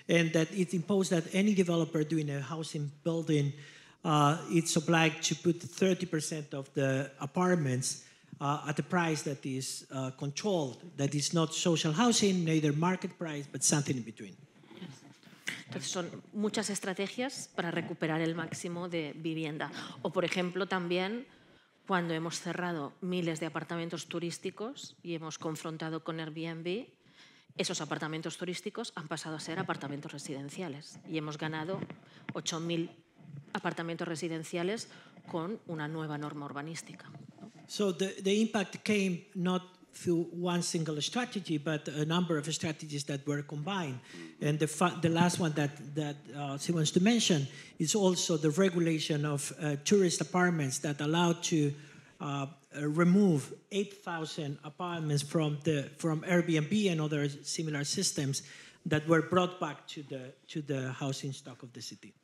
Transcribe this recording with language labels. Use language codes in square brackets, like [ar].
[en] And that it imposed that any developer doing a housing building, it's obliged to put 30% of the apartments at a price that is controlled, that is not social housing, neither market price, but something in between. [es] Entonces, son muchas estrategias para recuperar el máximo de vivienda. O, por ejemplo, también cuando hemos cerrado miles de apartamentos turísticos y hemos confrontado con Airbnb, esos apartamentos turísticos han pasado a ser apartamentos residenciales y hemos ganado 8.000 apartamentos residenciales con una nueva norma urbanística. [en] So the impact came not through one single strategy, but a number of strategies that were combined. And the last one that she wants to mention is also the regulation of tourist apartments that allowed to remove 8,000 apartments from Airbnb and other similar systems that were brought back to the housing stock of the city.